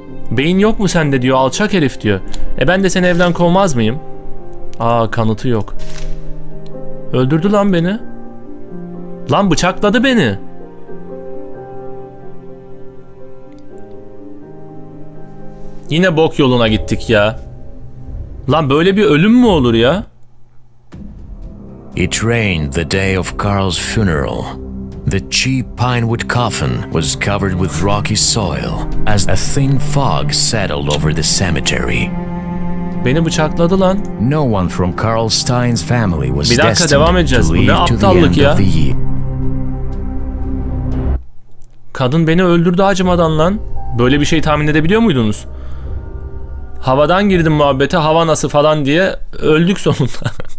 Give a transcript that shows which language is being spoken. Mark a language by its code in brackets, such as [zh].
[tr] Beyin yok mu sende diyor, alçak herif diyor. E ben de seni evden kovmaz mıyım? Aa, kanıtı yok. Öldürdü lan beni. Lan bıçakladı beni. Yine bok yoluna gittik ya. Lan böyle bir ölüm mü olur ya? [en] It rained the day of Carl's funeral. The cheap pinewood coffin was covered with rocky soil as a thin fog settled over the cemetery. [tr] Beni bıçakladı lan. [en] No one from Carl Stein's family was destined. [tr] Bir dakika, devam edeceğiz. Bu ne aptallık ya? Kadın beni öldürdü acımadan lan. Böyle bir şey tahmin edebiliyor muydunuz? Havadan girdim muhabbete, hava nasıl falan diye öldük sonunda.